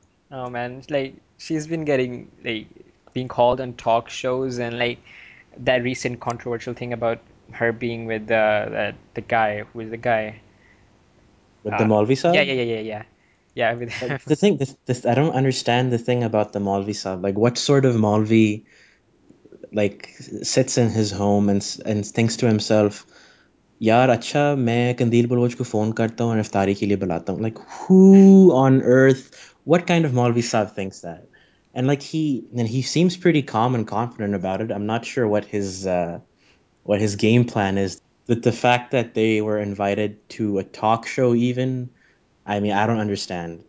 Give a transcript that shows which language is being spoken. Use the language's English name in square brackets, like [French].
[English] Oh man, like she's been getting like being called on talk shows, and like that recent controversial thing about her being with the guy, who is the guy? With the Malvi Saab? Yeah, with Like him. the thing, this I don't understand the thing about the Malvi Saab. Like, what sort of Malvi, like, sits in his home and thinks to himself, [Urdu] "یار، اچھا، میں قندیل بلوچ کو phone کرتا ہوں اور افطاری کے لیے بلاتا ہوں۔" [English] Like, who on earth? What kind of Malvi Saab thinks that? And like he seems pretty calm and confident about it. I'm not sure what his game plan is. That the fact that they were invited to a talk show, even, I mean, I don't understand.